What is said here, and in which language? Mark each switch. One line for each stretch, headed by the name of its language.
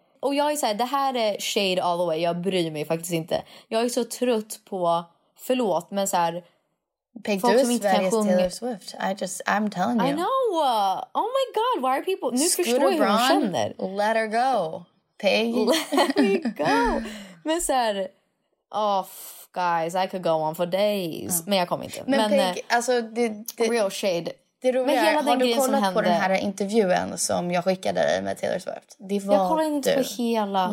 Swedish: Och jag är såhär, det här är
English: shade all the way.
Swedish: Jag bryr mig faktiskt inte. Jag är så trött på, förlåt, men såhär, Peg, folk som inte kan sjunga.
English: Taylor Swift, I'm telling you. I know, oh my god, why are people,
Swedish: nu Scooter förstår jag hur hon känner.
English: Let her go, Peg. Let me go.
Swedish: Men såhär,
English: oh guys, I could go on for days.
Swedish: Men jag kommer inte. Men Peg, alltså
English: real shade.
Swedish: Det roliga, men hela är, har du kollat på den här intervjun som jag skickade dig med Taylor Swift? Det var, jag kollade inte på hela.